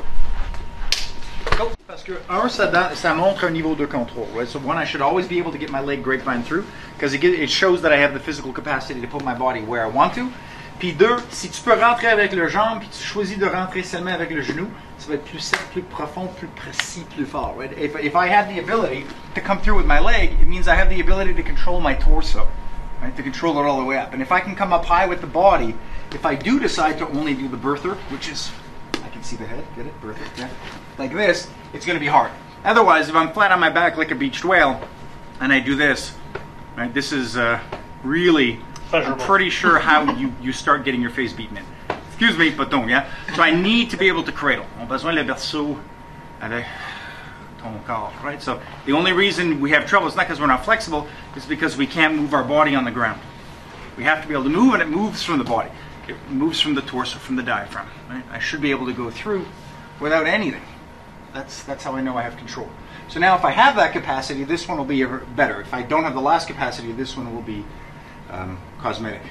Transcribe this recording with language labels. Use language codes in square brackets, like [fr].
[en] Yeah? Go. Parce que, un, ça montre un niveau de contrôle, right? So one, I should always be able to get my leg grapevine through, because it shows that I have the physical capacity to put my body where I want to. [fr] Puis deux, si tu peux rentrer avec le jambe, puis tu choisis de rentrer seulement avec le genou, ça va être plus simple, plus profond, plus précis, plus fort. [en] Right? If I have the ability to come through with my leg, it means I have the ability to control my torso, right? To control it all the way up. And if I can come up high with the body, if I do decide to only do the birther, which is, I can see the head, get it, birther, yeah, like this, it's going to be hard. Otherwise, if I'm flat on my back like a beached whale, and I do this, right, this is really pleasurable. I'm pretty sure how you start getting your face beaten in. Excuse me, but don't, yeah? So I need to be able to cradle. [fr] On besoin le berceau avec ton corps, right? [en] So the only reason we have trouble is not because we're not flexible, it's because we can't move our body on the ground. We have to be able to move, and it moves from the body. It moves from the torso, from the diaphragm. Right? I should be able to go through without anything. That's how I know I have control. So now if I have that capacity, this one will be better. If I don't have the last capacity, this one will be cosmetic.